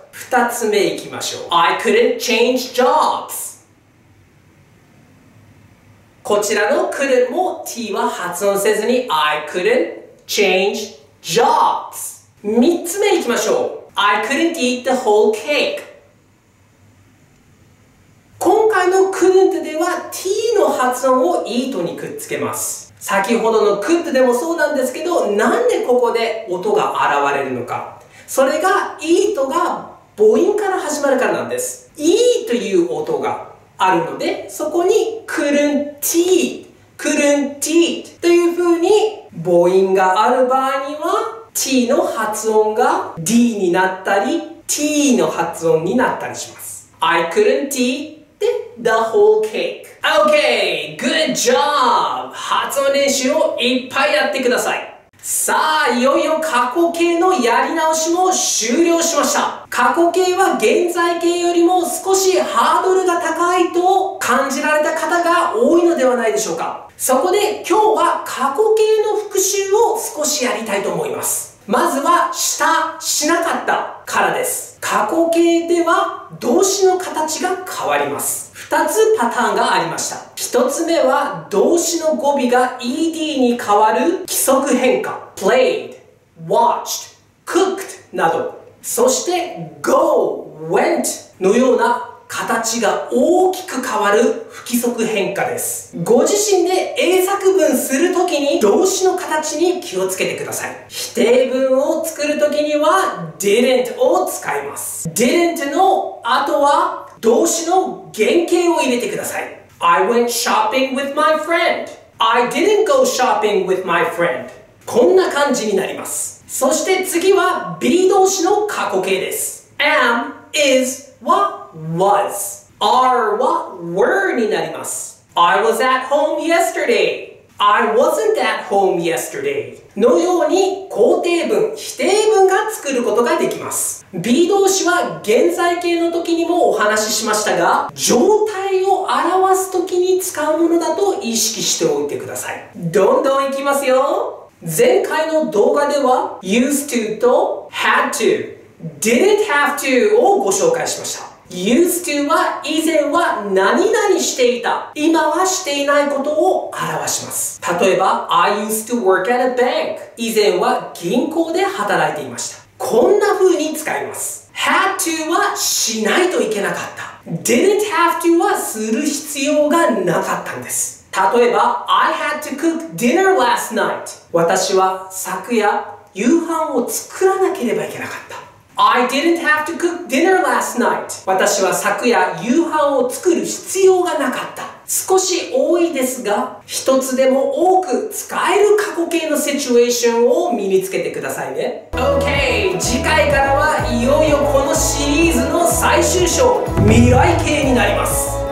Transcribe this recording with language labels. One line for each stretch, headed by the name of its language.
Japanese: 2つ目いきましょう。
English: I couldn't change jobs。
Japanese: こちらの couldn't も T は発音せずに
English: I couldn't change jobs。
Japanese: 3つ目いきましょう。
English: I couldn't eat the whole cake。
Japanese: 今回の couldn't では T の発音を eat にくっつけます。先ほどの could でもそうなんですけど、なんでここで音が現れるのか、それが eat が母音から始まるからなんです。 e という音があるので、そこに couldn't eat、 couldn't eat という風に母音がある場合には T の発音が D になったり T の発音になったりします。
English: I couldn't eatThe whole cake. Okay, good job!
Japanese: 発音練習をいっぱいやってください。さあ、いよいよ過去形のやり直しも終了しました。過去形は現在形よりも少しハードルが高いと感じられた方が多いのではないでしょうか。そこで今日は過去形の復習を少しやりたいと思います。まずはした、しなかったからです。過去形では動詞の形が変わります。 2つパターンがありました。1つ目は動詞の語尾が ED に変わる規則変化、 played、 watched、 cooked など、そして go、 went のような形が大きく変わる不規則変化です。ご自身で英作文するときに動詞の形に気をつけてください。否定文を作るときには didn't を使います。 didn't の後は動詞の原形を入れてください。
English: I went shopping with my friend。 I didn't go shopping with my friend。
Japanese: こんな感じになります。そして次は be 動詞の過去形です。 am、 is、 はwas、 are は were になります。
English: I was at home yesterday、 I wasn't at home yesterday
Japanese: のように肯定文、否定文が作ることができます。 be 動詞は現在形の時にもお話ししましたが、状態を表す時に使うものだと意識しておいてください。どんどんいきますよ。前回の動画では used to と had to、 didn't have to をご紹介しました。 used to は以前は何々していた、今はしていないことを表します。例えば
English: I used to work at a bank、
Japanese: 以前は銀行で働いていました。こんな風に使います。had to はしないといけなかった、 didn't have to はする必要がなかったんです。例えば
English: I had to cook dinner last night、
Japanese: 私は昨夜夕飯を作らなければいけなかった。
English: I didn't have to cook dinner last night。
Japanese: 私は昨夜夕飯を作る必要がなかった。少し多いですが、一つでも多く使える過去形のシチュエーションを身につけてくださいね。 OK、 次回からはいよいよこのシリーズの最終章、未来形になります。